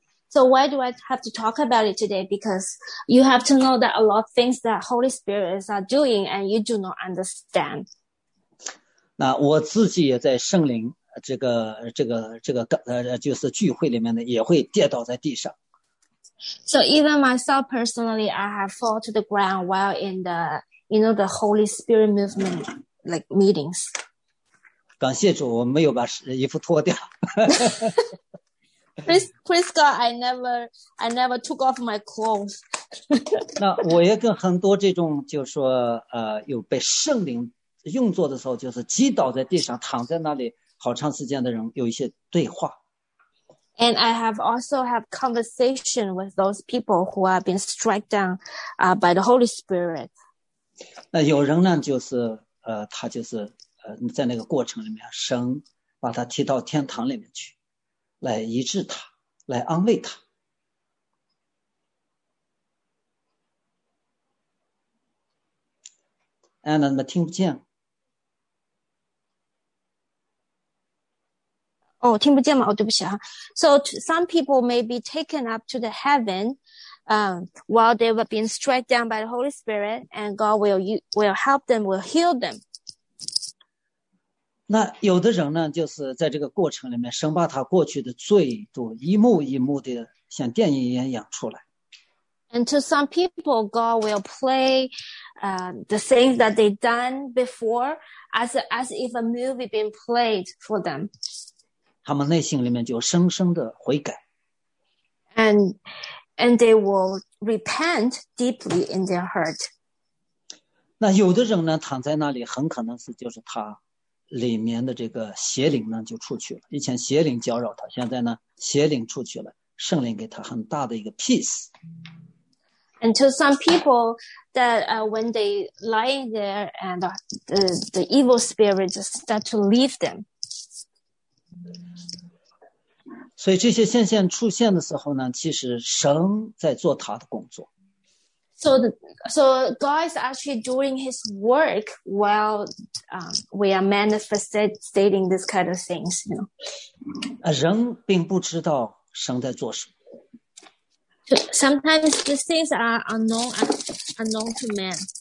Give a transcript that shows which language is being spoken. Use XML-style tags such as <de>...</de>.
<en>So why do I have to talk about it today? Because you have to know that a lot of things that Holy Spirit is doing and you do not understand.</en> <zh>那我自己也在圣灵这个就是聚会里面呢，也会跌倒在地上。</zh> <en>So even myself personally, I have fallen to the ground while in the, you know, the Holy Spirit movement, like meetings.</en> <zh>感谢主，我没有把衣服脱掉。</zh> <en>Praise God, I never took off my clothes.</en> <zh>那我也跟很多这种就是说有被圣灵用作的时候就是击倒在地上躺在那里好长时间的人有一些对话。</zh> <en>And I have also had conversation with those people who have been struck down by the Holy Spirit.</en> <zh>那有人呢就是他就是在那个过程里面神把他踢到天堂里面去。来医治他，来安慰他。 Anna 怎么听不见？哦，听不见吗？哦，对不起啊。</zh> <en>So some people may be taken up to the heaven, while they were being struck down by the Holy Spirit, and God will help them, will heal them.</en> <zh>那有的人呢就是在这个过程里面生把他过去的罪都一幕一幕的像电影一样演出来。</zh> <en>And to some people, God will play, the things that they've done before as if a movie been played for them.</en> <zh>他们内心里面就深深的悔改。</zh> <en>And they will repent deeply in their heart.</en> <zh>那有的人呢躺在那里很可能是就是他里面的这个邪灵呢就出去了，以前邪灵搅扰他，现在呢邪灵出去了，圣灵给他很大的一个 peace。</zh> <en>And to some people that when they lie there and the evil spirit just start to leave them.</en> <zh>所以这些现象出现的时候呢，其实神在做他的工作。</zh> <en>So God is actually doing his work while we are manifested stating this kind of things, you know.</en> <zh>人并不知道神在做什么。</zh> <en>Sometimes these things are unknown to man.</en>